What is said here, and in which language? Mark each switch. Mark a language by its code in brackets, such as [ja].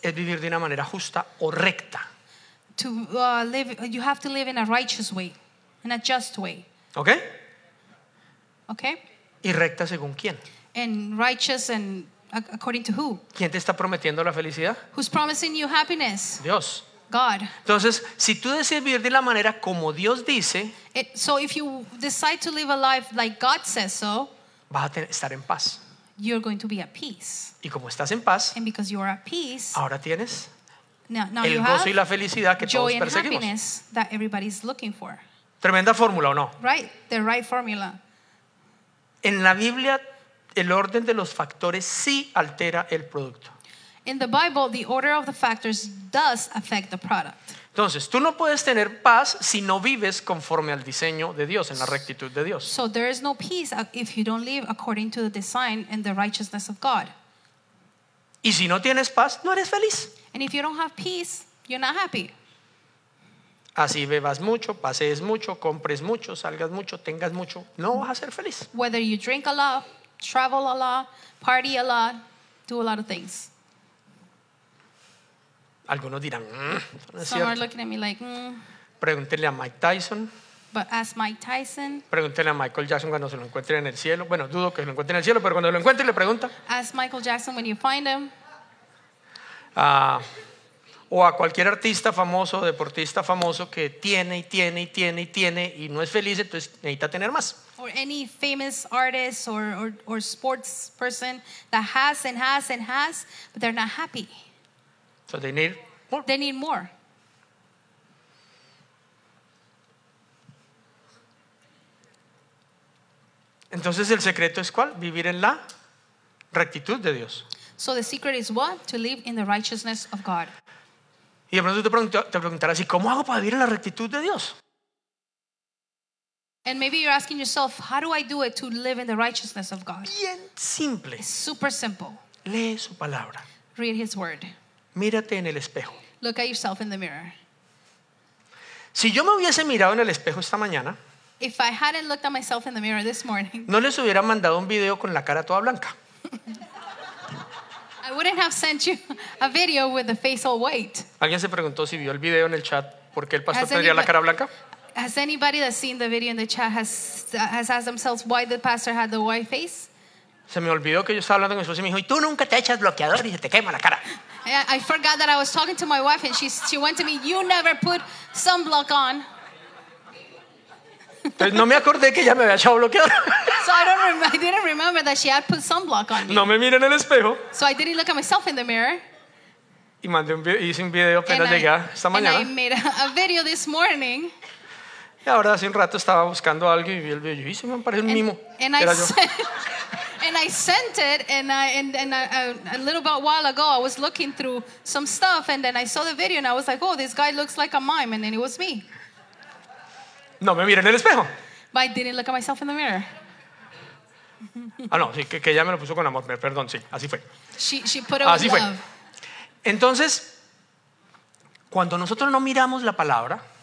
[es] Es vivir de una manera justa o recta. [en] To live, you have to live in a righteous way, in a just way. Okay. Okay. [es] Y recta según quién. [en] And righteous and according to who? [es] ¿Quién te está prometiendo la felicidad? [en] Who's promising you happiness? [es] Dios. [en] God. [es] Entonces, si tú decides vivir de la manera como Dios dice, [en] so if you decide to live a life like God says so, [es] vas a estar en paz. [en] You're going to be at peace. [es] Y como estás en paz, [en] and because you're at peace, [es] ahora tienes [en] now [es] el [en] you [es] gozo [en] have [es] y la felicidad que [en] joy [es] todos perseguimos. [en] And happiness that everybody's looking for. [es] Tremenda fórmula, ¿o no? [en] Right, the right formula. [es] En la Biblia, el orden de los factores sí altera el producto. [en] In the Bible, the order of the factors does affect the product. [es] Entonces, tú no puedes tener paz si no vives conforme al diseño de Dios, en la rectitud de Dios. [en] So there is no peace if you don't live according to the design and the righteousness of God. [es] Y si no tienes paz, no eres feliz. [en] And if you don't have peace, you're not happy. [es] Así bebas mucho, pasees mucho, compres mucho, salgas mucho, tengas mucho, no vas a ser feliz. [en] Whether you drink a lot, travel a lot, party a lot, do a lot of things. [es] Algunos dirán, no es cierto. [en] Some are looking at me like, [es] Pregúntenle a Mike Tyson. [en] But ask Mike Tyson. [es] Pregúntenle a Michael Jackson cuando se lo encuentre en el cielo. Bueno, dudo que se lo encuentre en el cielo, pero cuando lo encuentre le pregunta. [en] Ask Michael Jackson when you find him. [es] O a cualquier artista famoso, deportista famoso que tiene y tiene y tiene y tiene y no es feliz, entonces necesita tener más. [en] Or any famous artist or sports person that has and has and has, but they're not happy. So they need more. They need more. [es] Entonces el secreto es cuál? Vivir en la rectitud de Dios. [en] So the secret is what? To live in the righteousness of God. [es] Y de pronto te preguntarás, ¿y cómo hago para vivir en la rectitud de Dios? [en] And maybe you're asking yourself, how do I do it to live in the righteousness of God? [es] Bien simple. [en] It's super simple. [es] Lee su palabra. [en] Read his word. [es] Mírate en el espejo. [en] Look at yourself in the mirror. [es] Si yo me hubiese mirado en el espejo esta mañana, [en] if I hadn't looked at myself in the mirror this morning, [es] no les hubiera mandado un video con la cara toda blanca. [en] I wouldn't have sent you a video with the face all white. [es] ¿Alguien se preguntó si vio el video en el chat por qué el pastor tenía la cara blanca? [en] Has anybody that seen the video in the chat has asked themselves why the pastor had the white face? [es] Se me olvidó que yo estaba hablando con mi esposa y me dijo, "Y tú nunca te echas bloqueador y se te quema la cara." [en] I forgot that I was talking to my wife and she went to me, "You never put sunblock on." [es] Entonces no me acordé que ella me había echado bloqueador. [en] So I didn't remember that she had put sunblock on me. [es] No me miré en el espejo. [en] So I didn't look at myself in the mirror. [es] Y mandé un video, hice un video apenas llegué esta mañana. [en] And I made a video this morning. [es] Y ahora hace un rato estaba buscando a alguien y vi el video y se me parece un mimo. [en] And I sent it and a little bit while ago I was looking through some stuff and then I saw the video and I was like, oh, this guy looks like a mime, and then it was me. [es] No me miré en el espejo. [en] But I didn't look at myself in the mirror. [es] Ah, no, sí, que ella me lo puso con amor, perdón, sí, así fue. [en] She put it with love. [es] Entonces, cuando nosotros no miramos la palabra,